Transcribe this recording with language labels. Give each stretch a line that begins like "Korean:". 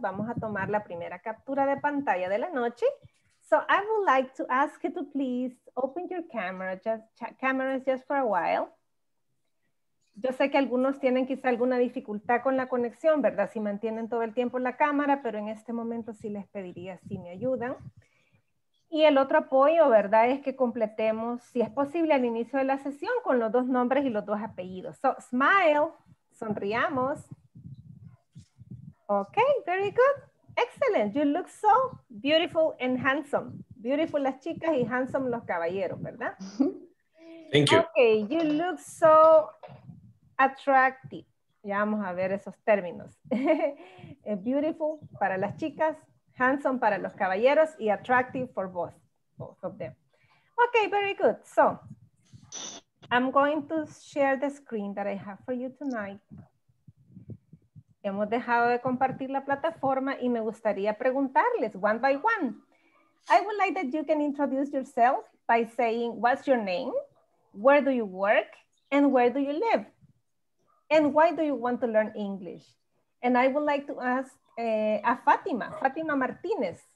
Spanish: Vamos a tomar la primera captura de pantalla de la noche.
English: So I would like to ask you to please open your camera, cameras just for a while.
Spanish: Yo sé que algunos tienen quizá alguna dificultad con la conexión, ¿verdad? Si mantienen todo el tiempo la cámara, pero en este momento sí les pediría si me ayudan. Y el otro apoyo, ¿verdad?, es que completemos, si es posible, al inicio de la sesión con los dos nombres y los dos apellidos.
English: So, smile,
Spanish: sonriamos.
English: Ok, very good. Excellent, you look so beautiful and handsome.
Spanish: Beautiful las chicas y handsome los caballeros, ¿verdad?
English: Thank you. Okay, you look so attractive.
Spanish: Ya vamos a ver esos términos. Beautiful para las chicas, handsome para los caballeros y attractive
English: for both of them. Okay, very good. So, I'm going to share the screen that I have for you tonight.
Spanish: Hemos dejado de compartir la plataforma y me gustaría preguntarles
English: one by one. I would like that you can introduce yourself by saying, what's your name, where do you work, and where do you live, and why do you want to learn English? And I would like to ask Fátima Martínez.